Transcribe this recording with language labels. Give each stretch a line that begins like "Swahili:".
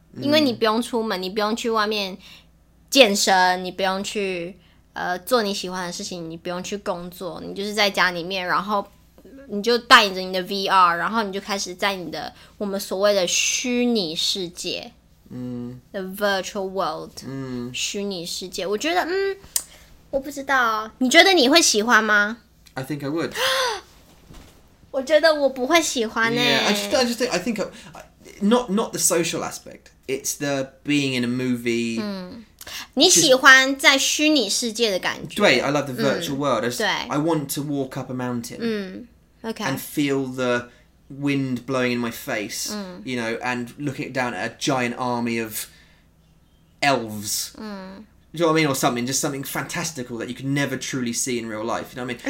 Chinese: 因为你不用出门，你不用去外面健身，你不用去做你喜欢的事情，你不用去工作，你就是在家里面，然后你就带着你的 VR， 然后你就开始在你的我们所谓的虚拟世界，
English: the virtual world，
Chinese: 虚拟世界。我觉得，我不知道，你觉得你会喜欢吗
English: ？I think I would.
Chinese: 我觉得我不会喜欢欸。
English: Yeah, I just think I think not the social aspect. It's the being in a movie.
Chinese: 你喜欢在虚拟世界的感觉。对，
English: I love the virtual world. I want to walk up a mountain. Okay. And feel the wind blowing in my face, you know, and looking down at a giant army of elves. Do you know what I mean? Or something, just something fantastical that you can never truly see in real life. You know what I mean?